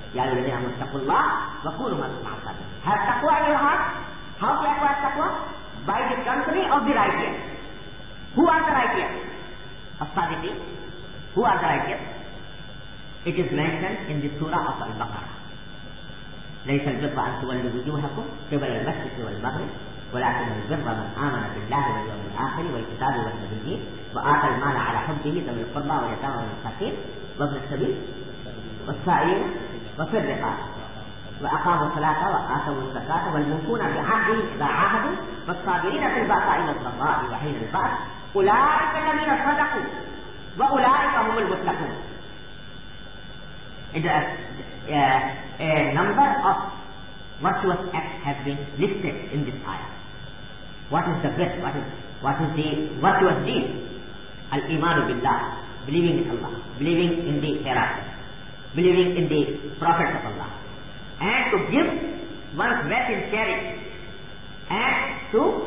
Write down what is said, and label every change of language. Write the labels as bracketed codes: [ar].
[ar] Ya ayyuhal ladhina amanu taqullaha wa qulu qawlan sadida. [en] Have taqwa in your heart. How can I acquire taqwa? By the company of the righteous. Who are the righteous? As-sadiqeen. Who are the righteous? It is mentioned in the surah of Al-Baqarah. [ar] ليس البر أن تولوا وجوهكم قبل المشرق والمغرب ولكن البر من آمن بالله واليوم الآخر والكتاب والنبيين وآتى المال على حبه ذوي القربى واليتامى والمساكين وابن السبيل والسائلين وصدقا وأقاموا الصلاة وآتوا الزكاة والمنفون بعهدهم إذا عاهدوا والصابرين في البأساء والضراء وحين البأس أولئك الذين صدقوا وأولئك هم المتقون. [en] The number of virtuous acts have been listed in this ayah. What is the best? What is the virtuous deed? [ar] Al-Imanu Billah, [en] believing in Allah, believing in the hereafter, believing in the prophets of Allah, and to give one's best in charity, and to